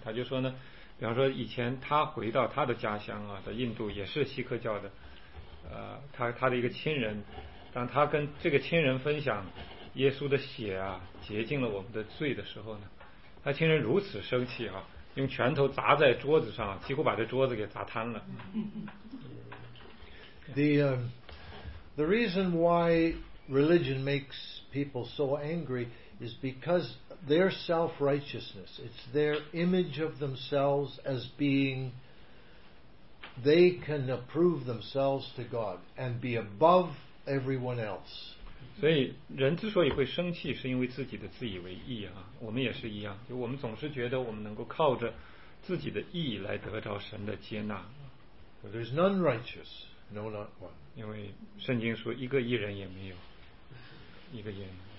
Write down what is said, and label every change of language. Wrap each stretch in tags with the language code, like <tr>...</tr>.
<zh>他就说呢，比方说以前他回到他的家乡啊，在印度也是锡克教的。他的一个亲人，当他跟这个亲人分享耶稣的血啊洁净了我们的罪的时候呢，他亲人如此生气啊，用拳头砸在桌子上，几乎把这桌子给砸瘫了。</zh> <en>The reason why religion makes people so angry is because their self-righteousness, it's their image of themselves as beingThey can approve themselves to God and be above everyone else.</en> <zh>所以人之所以会生气，是因为自己的自以为意啊。我们也是一样，就我们总是觉得我们能够靠着自己的意来得到神的接纳。</zh> <en>But there's none righteous, no, not one.</en> <zh>因为圣经说一个义人也没有，一个义人。</zh>